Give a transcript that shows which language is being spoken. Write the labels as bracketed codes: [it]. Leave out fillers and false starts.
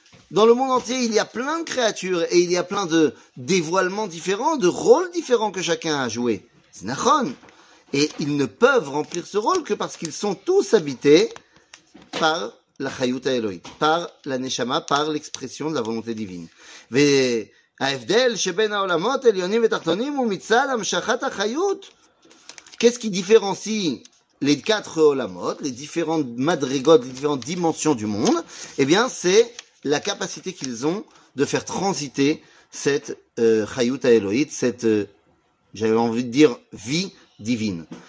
[fr] Dans le monde entier, il y a plein de créatures et il y a plein de dévoilements différents, de rôles différents que chacun a joué. C'est nachon. Et ils ne peuvent remplir ce rôle que parce qu'ils sont tous habités par la chayuta Elohim, par la neshama, par l'expression de la volonté divine. [he] ההבדל שבין העולמות עליונים ותחתונים הוא מצד המשכת החיות. [fr] Qu'est-ce qui différencie les quatre olamot, les différentes madrigot, les différentes dimensions du monde? Eh bien, c'est la capacité qu'ils ont de faire transiter cette chayut haeloit, cette, j'avais envie de dire, vie divine.